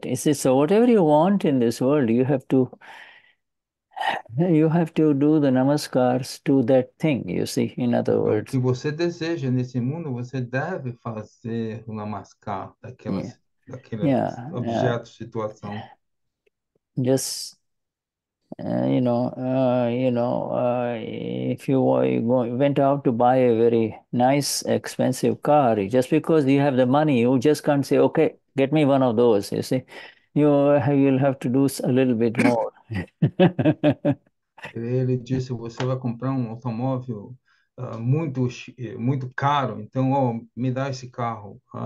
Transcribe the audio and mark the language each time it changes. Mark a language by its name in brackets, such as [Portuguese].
[English] It's just, so whatever you want in this world, you have to do the namaskars to that thing, you see, in other words. [Portuguese] O que você deseja nesse mundo, você deve fazer o namaskar daquele objeto, situação. [English] Just, if you went out to buy a very nice, expensive car, just because you have the money, you just can't say, okay, get me one of those, you see. You'll have to do a little bit more. [Portuguese] Ele disse, você vai comprar um automóvel muito muito caro, então me dá esse carro.